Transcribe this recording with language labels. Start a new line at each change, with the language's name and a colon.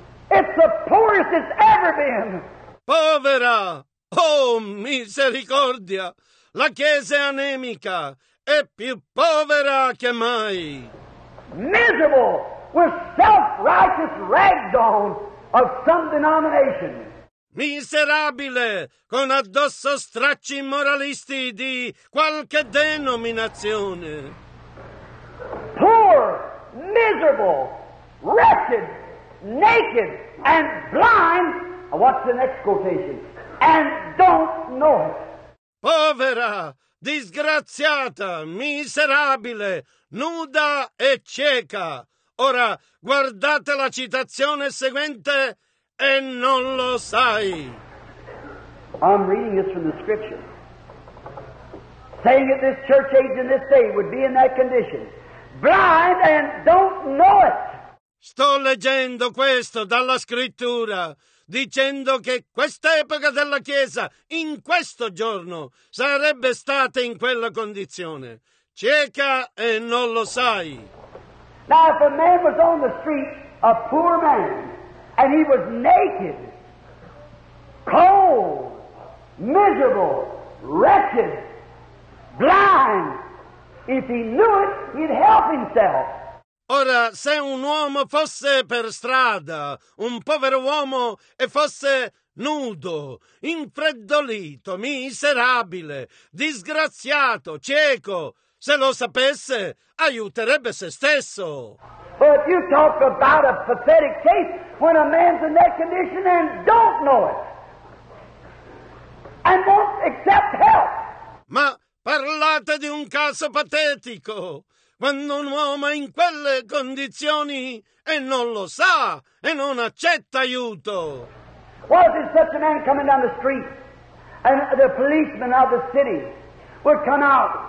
English: It's the poorest it's ever been.
Italian: Povera, oh misericordia, la chiesa è anemica. È più povera che mai.
English: Miserable with self-righteous rags on of some denomination.
Italian: Miserabile con addosso stracci moralisti di qualche denominazione.
English: Poor, miserable, wretched, naked and blind What's the next quotation? And don't know it.
Italian: Povera, disgraziata, miserabile, nuda e cieca. Ora, guardate la citazione seguente e non lo sai.
English: I'm reading this from the scripture. Saying that this church age in this day would be in that condition. Blind and don't know it.
Italian: Sto leggendo questo dalla scrittura, dicendo che questa epoca della Chiesa, in questo giorno, sarebbe stata in quella condizione. Cieca e non lo sai.
English: Now, if a man was on the street, a poor man, and he was naked, cold, miserable, wretched, blind, if he knew it, he'd help himself.
Italian: Ora, se un uomo fosse per strada, un povero uomo, e fosse nudo, infreddolito, miserabile, disgraziato, cieco, se lo sapesse, aiuterebbe se stesso.
English: But you talk about a pathetic case when a man's in that condition and don't know it. And won't accept help.
Italian: Ma parlate di un caso patetico. Quando un uomo è in quelle condizioni e non lo sa e non accetta aiuto.
English: Was it such a man coming down the street and the policemen of the city would come out?